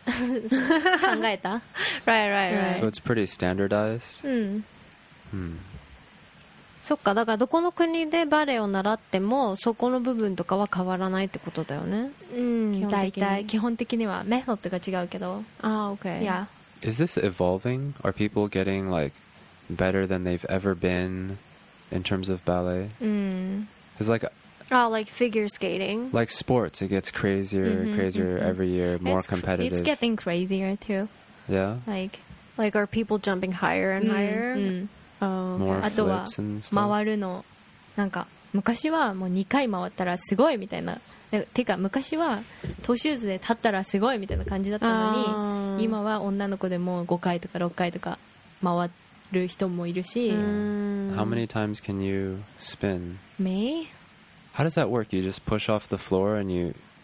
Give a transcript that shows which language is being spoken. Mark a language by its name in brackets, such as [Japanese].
[Japanese] 考えた? [English] Right, right, right. So it's pretty standardized? Mm. Hmm. [Japanese] そっか、だからどこの国でバレエを習ってもそこの部分とかは変わらないってことだよね。大体、基本的にはメソッドが違うけど。 [English] Ah, okay. Yeah. Is this evolving? Are people getting, like, better than they've ever been in terms of ballet? It's like... Oh, like figure skating. Like sports, it gets crazier and crazier every year, more competitive. It's getting crazier too. Yeah? Like are people jumping higher and higher? More flips and stuff. [Japanese] あとは、回るの、昔はもう2回回ったらすごいみたいな。てか、昔はトーシューズで立ったらすごいみたいな感じだったのに、今は女の子でも5回とか6回とか回る人もいるし。 [English] How many times can you spin? Me? How does that work? You just push off the floor and you